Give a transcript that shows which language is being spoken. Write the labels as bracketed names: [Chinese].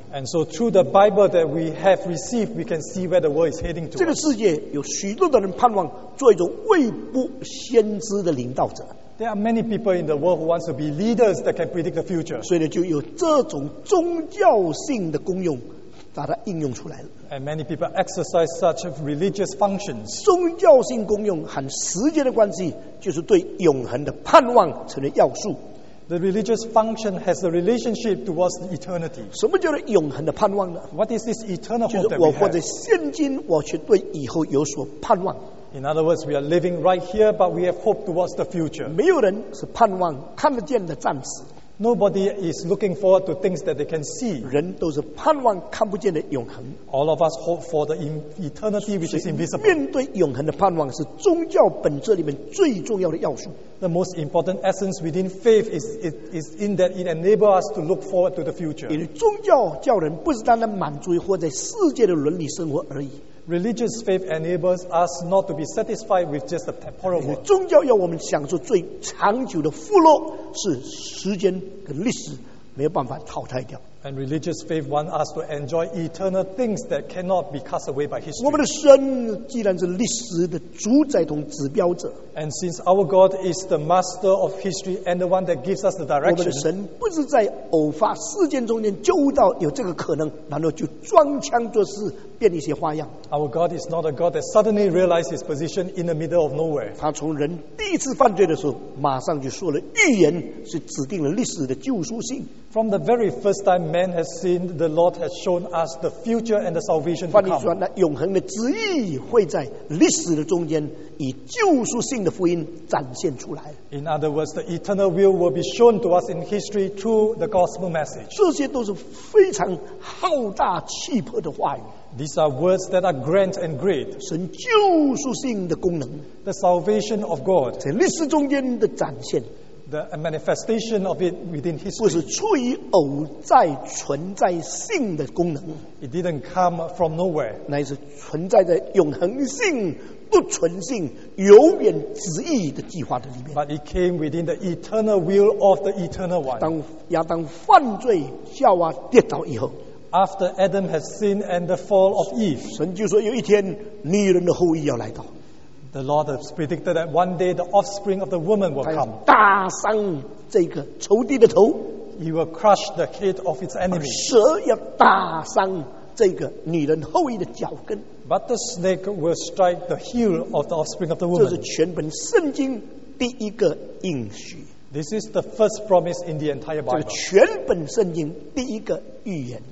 [English] And so through the Bible that we have received, we can see where the world is heading to. [Chinese] 这个世界有许多的人盼望做一种未卜先知的领导者。 [English] There are many people in the world who want to be leaders that can predict the future. [Chinese] 所以就有这种宗教性的功用把它应用出来了。 [English] And many people exercise such religious functions. [Chinese] 宗教性功用和时间的关系就是对永恒的盼望成了要素。 [English] The religious function has a relationship towards eternity. [Chinese] 什么叫做永恒的盼望呢？ [English] What is this eternal hope that we have? [Chinese] 就是我活在现今，我却对以后有所盼望。 [English] In other words, we are living right here, but we have hope towards the future. [Chinese] 没有人是盼望看得见的暂时。 [English] Nobody is looking forward to things that they can see. [Chinese] 人都是盼望看不见的永恒。 [English] All of us hope for the eternity which is invisible. [Chinese] 面对永恒的盼望是宗教本质里面最重要的要素。 [English] The most important essence within faith is in that it enables us to look forward to the future. [Chinese] 因为宗教教人不是单单满足于活在世界的伦理生活而已。 [English] Religious faith enables us not to be satisfied with just the temporal world. [Chinese] 宗教要我们享受最长久的富乐，是时间跟历史没有办法淘汰掉。 [English] And religious faith wants us to enjoy eternal things that cannot be cast away by history. [Chinese] 我们的神既然是历史的主宰同指标者。 [English] And since our God is the master of history and the one that gives us the direction. [Chinese] 我们的神不是在偶发事件中间就到有这个可能，然后就装腔作势变一些花样。 [English] Our God is not a God that suddenly realizes his position in the middle of nowhere. [Chinese] 他从人第一次犯罪的时候，马上就说了预言，是指定了历史的救赎性。 [English] From the very first time man has sinned, the Lord has shown us the future and the salvation to come. [Chinese] 换句话说，那永恒的旨意会在历史的中间以救赎性的福音展现出来。 [English] In other words, the eternal will be shown to us in history through the gospel message. [Chinese] 这些都是非常浩大气魄的话语。 [English] These are words that are grand and great. [Chinese] 神救赎性的功能。 [English] The salvation of God. [Chinese] 在历史中间的展现。 [English] the manifestation of it within history. [Chinese] 不是出于偶在存在性的功能, [English] it didn't come from nowhere. [Chinese] 乃是存在的永恒性, 不存性, 永远旨意的计划的里面, [English] but it came within the eternal will of the eternal one. [Chinese] 当亚当犯罪夏娃跌倒以后, [English] after Adam has sinned and the fall of Eve, [Chinese] 神就说有一天女人的后裔要来到, [English] the Lord has predicted that one day the offspring of the woman will come. [Chinese] 打伤这个仇敌的头, [English] he will crush the head of its enemy. [Chinese] 蛇要打伤这个女人后裔的脚跟, [English] but the snake will strike the heel of the offspring of the woman. [Chinese] 这是全本圣经第一个应许, [English] this is the first promise in the entire Bible. [Chinese] 这是全本圣经第一个预言,